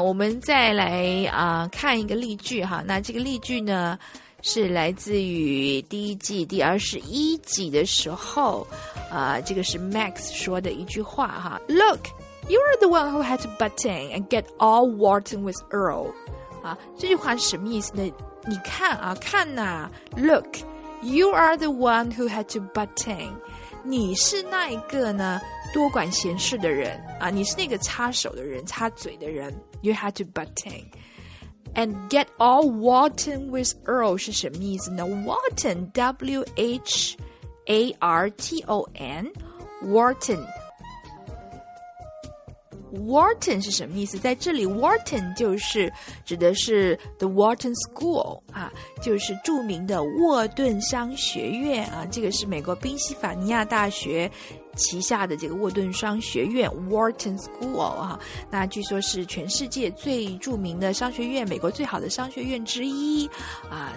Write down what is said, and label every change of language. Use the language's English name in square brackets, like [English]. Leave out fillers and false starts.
[Chinese] 我们再来啊看一个例句哈，那这个例句呢是来自于第一季第21集的时候啊，这个是 Max 说的一句话哈， [English] lookYou are the one who had to button and get all Wharton with Earl. [Chinese] 啊，这句话是什么意思呢？你看啊，看呐、啊、， [English] Look, you are the one who had to button. [Chinese] 你是那一个呢，多管闲事的人啊，你是那个插手的人，插嘴的人。 [English] You had to button and get all Wharton with Earl [Chinese] 是什么意思呢 ？ [English] Wharton, W-H-A-R-T-O-N, Wharton. [Chinese] Wharton 是什么意思？在这里 Wharton 就是指的是 The Wharton School 啊，就是著名的沃顿商学院啊，这个是美国宾夕法尼亚大学旗下的这个沃顿商学院 Wharton School 啊，那据说是全世界最著名的商学院，美国最好的商学院之一啊。